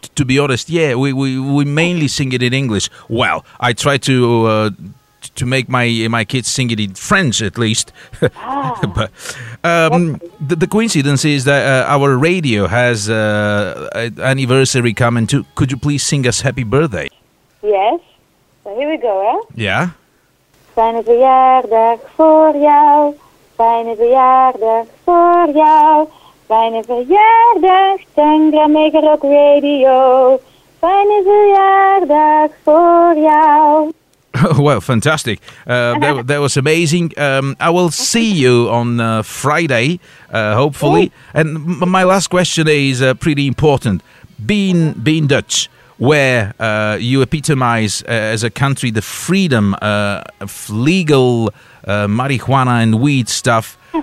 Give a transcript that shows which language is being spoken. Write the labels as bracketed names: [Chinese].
[English] To be honest, yeah, we mainly sing it in English. Well, I try to make my kids sing it in French, at least. Ah. But, the coincidence is that our radio has an anniversary coming too. Could you please sing us happy birthday? Yes. So here we go, hè? [Dutch] Ja. Fijne verjaardag voor jou. Fijne verjaardag voor jou. Fijne verjaardag, Tangra Mega Rock Radio. Fijne verjaardag voor jou. [English] Well, fantastic. That was amazing. I will see you on Friday, hopefully. Ooh. And my last question is pretty important. Being Dutch, where you epitomize as a country the freedom of legal marijuana and weed stuff.